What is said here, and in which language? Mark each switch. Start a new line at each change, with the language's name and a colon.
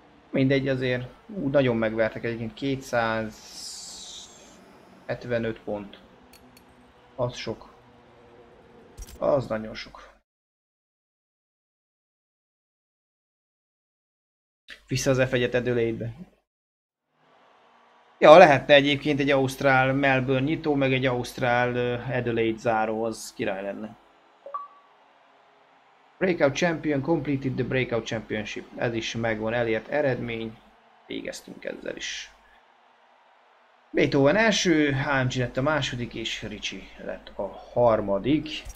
Hungarian: Mindegy azért, nagyon megvertek egyébként, 275 pont. Az sok. Az nagyon sok. Vissza az F1-et Adelaide-be. Ja, lehetne egyébként egy ausztrál Melbourne nyitó, meg egy ausztrál Adelaide záró, az király lenne.
English: Breakout Champion completed the Breakout Championship.
Hungarian: Ez is megvan, elért eredmény. Végeztünk ezzel is. Beethoven első, AMG lett a második, és Ricci lett a harmadik.